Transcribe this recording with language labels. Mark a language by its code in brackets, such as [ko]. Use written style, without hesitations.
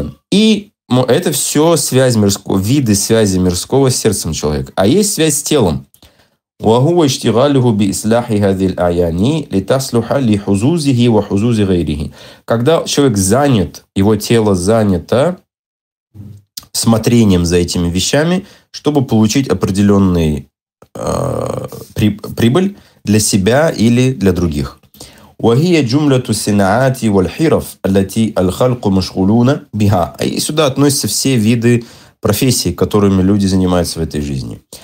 [ru] И это все связь мирского, виды связи мирского с сердцем человека. А есть связь с телом. [ar] وهو اشتغاله بإصلاح هذه الأعيان لتصلح لحظوظه وحظوظ غيره. [ru] Когда человек занят, его тело занято смотрением за этими вещами, чтобы получить определенный прибыль для себя или для других. [ar] وهي جملة الصناعات والحرف التي الخلق مشغولون بها. [ru] И сюда относятся все виды профессий, которыми люди занимаются в этой жизни.